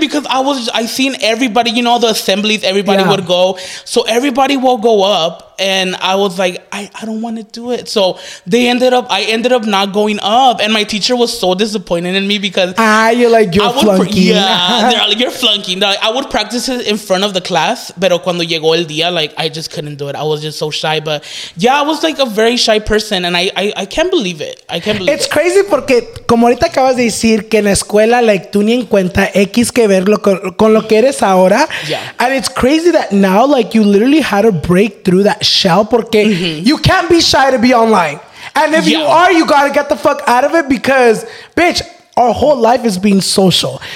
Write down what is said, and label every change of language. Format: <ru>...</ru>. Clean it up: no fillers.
<en>Because I seen everybody, you know, the assemblies, everybody would go. So, everybody will go up. And I was like, I don't want to do it. So I ended up not going up. And my teacher was so disappointed in me because they're like, you're flunking. Like, I would practice it in front of the class.</en> <es>Pero cuando llegó el día,</es> <en>like, I just couldn't do it. I was just so shy. But yeah, I was like a very shy person. And I can't believe it. It's crazy</en> <es>porque como ahorita acabas de decir que en la escuela, like, tú ni en cuenta X que ver con lo que eres ahora.</es> <en>Yeah. And it's crazy that now, like, you literally had a breakthrough that shell porque you can't be shy to be online, and if you are, you gotta get the fuck out of it, because bitch, our whole life is being social.</en>